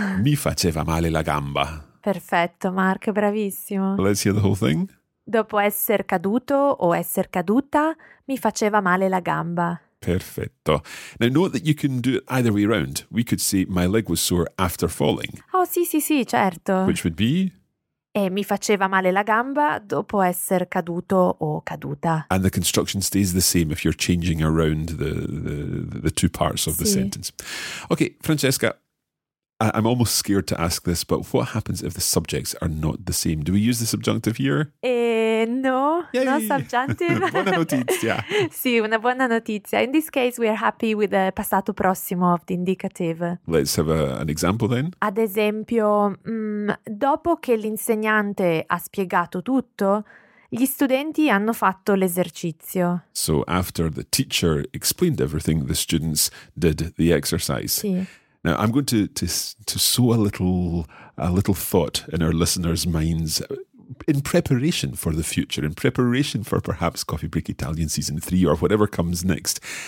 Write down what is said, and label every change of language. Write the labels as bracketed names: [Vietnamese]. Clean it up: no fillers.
[Italian] Mi faceva male la gamba. Perfetto, Mark, bravissimo. [English] Let's hear the whole thing. [Italian] Dopo esser caduto o esser caduta, mi faceva male la gamba. Perfetto. [English] Now note that you can do it either way around. We could say my leg was sore after falling. [Italian] Oh, sì, sì, sì, certo. [English] Which would be? [Italian] E mi faceva male la gamba dopo essere caduto o caduta. [English] And the construction stays the same if you're changing around the two parts of [Italian] sì. [English] the sentence. Okay, Francesca, I'm almost scared to ask this, but what happens if the subjects are not the same? Do we use the subjunctive here? No, yay! No subjunctive. [Italian] Buona notizia. Sì, una buona notizia. [English] In this case, we are happy with the passato prossimo of the indicative. Let's have an example then. [Italian] Ad esempio, dopo che l'insegnante ha spiegato tutto, gli studenti hanno fatto l'esercizio. [English] So after the teacher explained everything, the students did the exercise. [Italian] Sì. [English] Now, I'm going to sow a little thought in our listeners' minds in preparation for the future, in preparation for perhaps Coffee Break Italian Season 3 or whatever comes next.